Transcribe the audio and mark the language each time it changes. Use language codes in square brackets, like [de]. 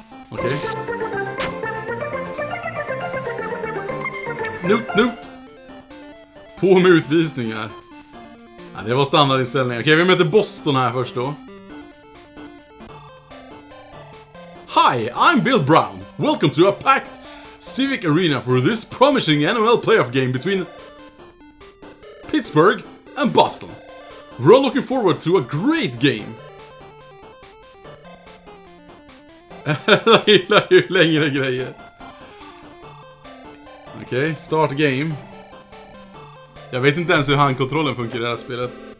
[sv] Okej. Nope. På med utvisningar. Ja, det var standardinställningar. Okej, vi möter Boston här först då. [en] Hi, I'm Bill Brown. Welcome to a packed Civic Arena for this promising NHL playoff game between Pittsburgh and Boston. We're all looking forward to a great game. [sv] Jag gillar ju längre grejer. Okej, okay, start game. Jag vet inte ens hur handkontrollen funkar i det här spelet.